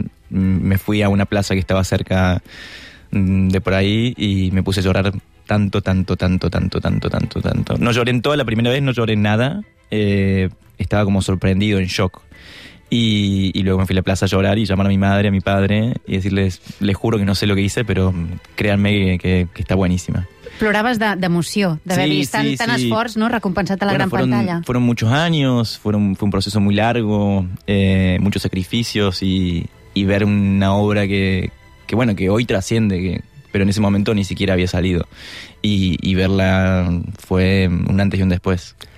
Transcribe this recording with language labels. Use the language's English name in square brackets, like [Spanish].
[Spanish] Me fui a una plaza que estaba cerca de por ahí y me puse a llorar tanto, tanto, tanto, tanto, tanto, tanto, tanto. No lloré en toda la primera vez, no lloré en nada. Estaba como sorprendido, en shock. Y luego me fui a la plaza a llorar y llamar a mi madre, a mi padre, y decirles, les juro que no sé lo que hice, pero créanme que está buenísima. [Catalan] Plorabas d'emoció, d'haver vist tan esforç, no? Recompensat a la gran pantalla. [Spanish] Fueron muchos años, fue un proceso muy largo, muchos sacrificios y ver una obra que bueno, que hoy trasciende, pero en ese momento ni siquiera había salido. Y verla fue un antes y un después.